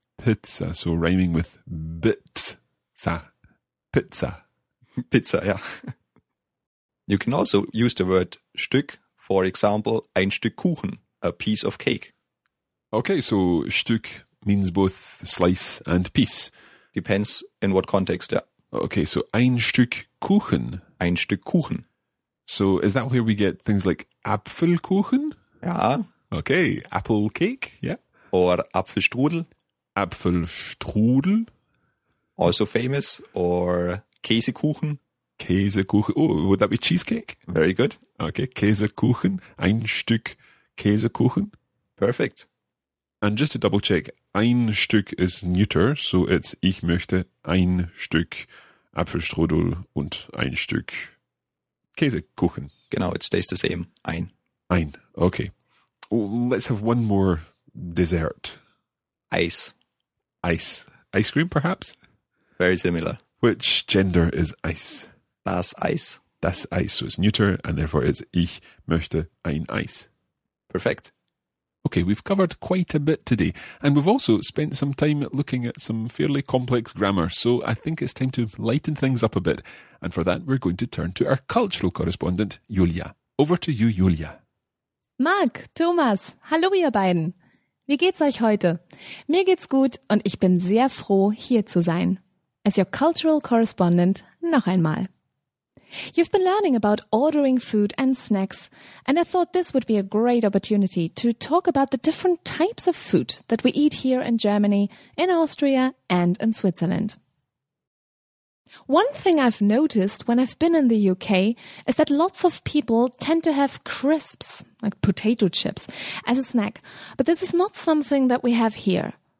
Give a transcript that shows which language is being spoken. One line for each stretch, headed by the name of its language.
English: Pizza. So rhyming with bitza. Pizza. Pizza, yeah. You can also use the word Stück, for example,
German: ein Stück Kuchen,
English: a piece of cake. Okay, so Stück means both slice and piece. Depends in what context, yeah. Okay, so
German: ein Stück Kuchen. Ein Stück Kuchen.
English: So is that where we get things like Apfelkuchen? Yeah. Okay, apple cake, yeah. Or Apfelstrudel.
German: Apfelstrudel.
English: Also famous. Or Käsekuchen.
German: Käsekuchen.
English: Oh, would that be cheesecake? Very good.
German: Okay, Käsekuchen. Ein Stück Käsekuchen.
English: Perfect. And just to double check, ein Stück is neuter, so it's
German: ich möchte ein Stück Apfelstrudel und ein Stück Käsekuchen. Genau,
English: it stays the same. Ein. Ein. Okay. Oh, let's have one more dessert. Ice. Ice. Ice cream, perhaps? Very similar. Which gender is Eis?
German: Das Eis. Das Eis.
English: So it's neuter, and therefore it's
German: Ich möchte ein Eis.
English: Perfect. Okay, we've covered quite a bit today, and we've also spent some time looking at some fairly complex grammar, so I think it's time to lighten things up a bit. And for that, we're going to turn to our cultural correspondent, Julia. Over to you, Julia.
German: Marc, Thomas, hallo ihr beiden. Wie geht's euch heute? Mir geht's gut und ich bin sehr froh, hier zu sein.
English: As your cultural correspondent,
German: noch einmal.
English: You've been learning about ordering food and snacks, and I thought this would be a great opportunity to talk about the different types of food that we eat here in Germany, in Austria, and in Switzerland. One thing I've noticed when I've been in the UK is that lots of people tend to have crisps, like potato chips, as a snack, but this is not something that we have here.